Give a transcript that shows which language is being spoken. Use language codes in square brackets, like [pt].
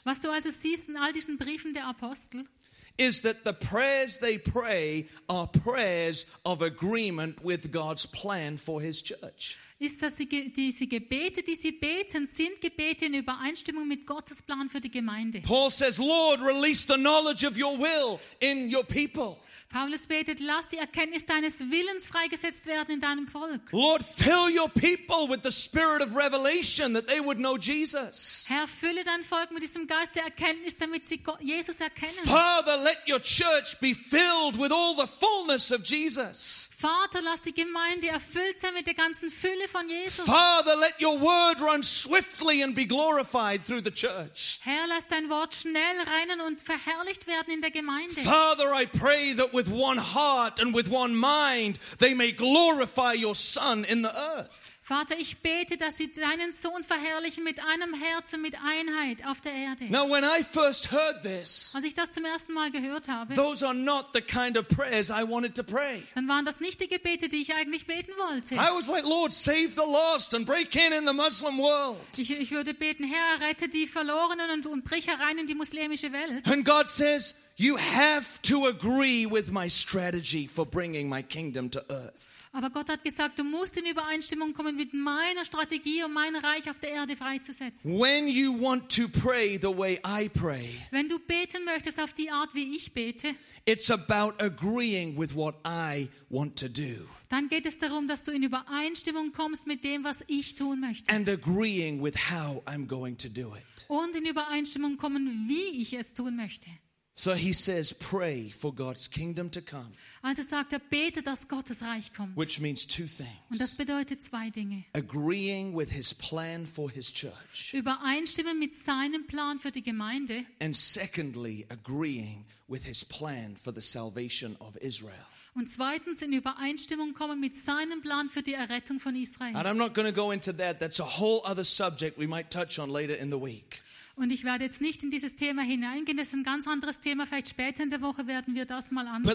[de] Was du also siehst in all diesen Briefen der Apostel. [en] Is that the prayers they pray are prayers of agreement with God's plan for his church. [de] Ist, dass sie diese Gebete, die sie beten, sind Gebete in Übereinstimmung mit Gottes Plan für die Gemeinde. [en] Paul says, Lord, release the knowledge of your will in your people. [de] Paulus betet, lass die Erkenntnis deines Willens freigesetzt werden in deinem Volk. [en] Lord, fill your people with the spirit of revelation that they would know Jesus. [de] Herr, fülle dein Volk mit diesem Geist der Erkenntnis, damit sie Jesus erkennen. [en] Father, let your church be filled with all the fullness of Jesus. [de] Vater, lass die Gemeinde erfüllt sein mit der ganzen Fülle von Jesus. [en] Father, let your word run swiftly and be glorified through the church. [de] Herr, lass dein Wort schnell rennen und verherrlicht werden in der Gemeinde. [en] Father, I pray that with one heart and with one mind they may glorify your Son in the earth. [de] Vater, ich bete, dass sie deinen Sohn verherrlichen mit einem Herzen, mit Einheit auf der Erde. [en] Now, when I first heard this, [de] als ich das zum ersten Mal gehört habe, [en] those are not the kind of prayers I wanted to pray. [de] Dann waren das nicht die Gebete, die ich eigentlich beten wollte. [en] I was like, Lord, save the lost and break in the Muslim world. [de] Ich würde beten, Herr, rette die Verlorenen und brich herein in die muslimische Welt. [en] And God says, you have to agree with my strategy for bringing my kingdom to earth. [de] Aber Gott hat gesagt, du musst in Übereinstimmung kommen mit meiner Strategie, um mein Reich auf der Erde freizusetzen. [en] When you want to pray the way I pray, [de] wenn du beten möchtest auf die Art, wie ich bete, [en] it's about agreeing with what I want to do. [de] Dann geht es darum, dass du in Übereinstimmung kommst mit dem, was ich tun möchte. [en] And agreeing with how I'm going to do it. [de] Und in Übereinstimmung kommen, wie ich es tun möchte. [en] So he says, pray for God's kingdom to come. [de] Also sagt er, bete, dass Gottes Reich kommt. [en] Which means two things. [de] Und das bedeutet zwei Dinge. [en] Agreeing with his plan for his church. [de] Übereinstimmen mit seinem Plan für die Gemeinde. [en] And secondly, agreeing with his plan for the salvation of Israel. [de] Und zweitens in Übereinstimmung kommen mit seinem Plan für die Errettung von Israel. [en] And I'm not going to go into that. That's a whole other subject we might touch on later in the week. [de] Und ich werde jetzt nicht in dieses Thema hineingehen, das ist ein ganz anderes Thema, vielleicht später in der Woche werden wir das mal anschauen.